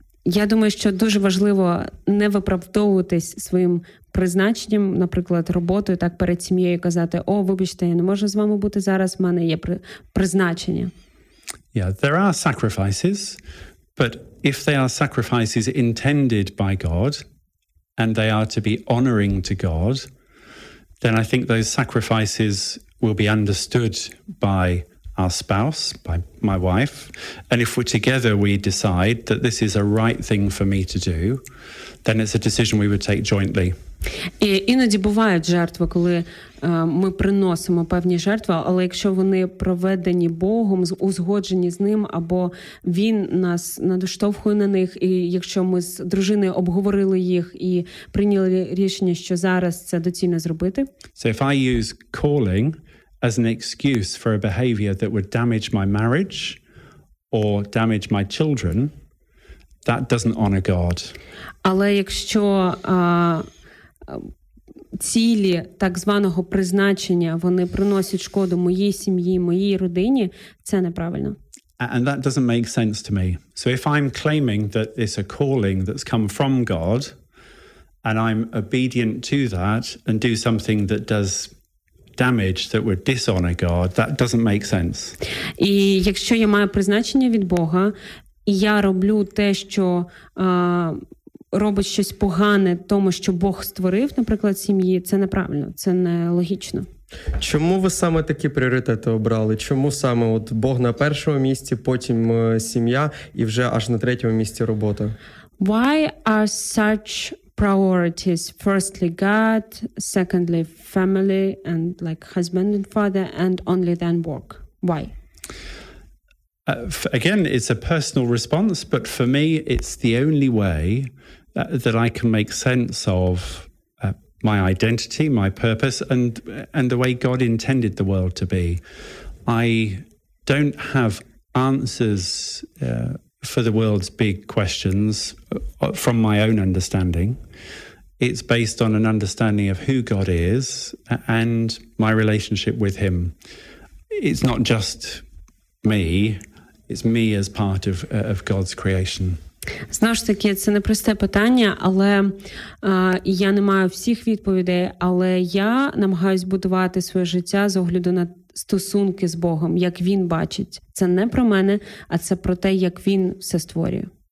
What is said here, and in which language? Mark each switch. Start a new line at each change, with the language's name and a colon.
Ukrainian: Я думаю, що дуже важливо не виправдовуватись своїм призначенням, наприклад, роботою, так перед сім'єю казати, о, вибачте, я не можу з вами бути зараз, в мене є призначення.
English: Yeah, there are sacrifices, but if they are sacrifices intended by God, and they are to be honoring to God, then I think those sacrifices will be understood by our spouse, by my wife. And if we're together, we decide that this is a right thing for me to do, then it's a decision we would take jointly.
Ukrainian: І іноді бувають жертви, коли ми приносимо певні жертви, але якщо вони проведені Богом, узгоджені з ним, або він нас надштовхує на них, і якщо ми з дружиною обговорили їх і прийняли рішення, що зараз це доцільно зробити.
English: So if I use calling as an excuse for a behavior that would damage my marriage or damage my children, that doesn't honor God.
Ukrainian: Але якщо цілі так званого призначення, вони приносять шкоду моїй сім'ї, моїй родині, це неправильно.
English: And that doesn't make sense to me. So if I'm claiming that it's a calling that's come from God, and I'm obedient to that, and do something that does damage, that would dishonor God, that doesn't make sense.
Ukrainian: І якщо я маю призначення від Бога, і я роблю те, що робить щось погане тому, що Бог створив, наприклад, сім'ї, це неправильно, це не логічно. Чому ви саме такі пріоритети обрали? Чому саме от Бог на першому місці, потім сім'я і вже аж на третьому місці робота?
English: Why are such priorities? Firstly God, secondly family and like husband and father, and only then work. Why? Again, it's a personal response, but for me, it's the only way that I can make sense of my identity, my purpose, and the way God intended the world to be. I don't have answers for the world's big questions from my own understanding. It's based on an understanding of who God is and my relationship with him. It's not just me, it's me as part of God's creation.
Ukrainian: Знову ж таки, це не просте питання, але я не маю всіх відповідей, але я намагаюсь будувати своє життя з огляду на стосунки з Богом, як він бачить. Це не про мене, а це про те, як він все створює.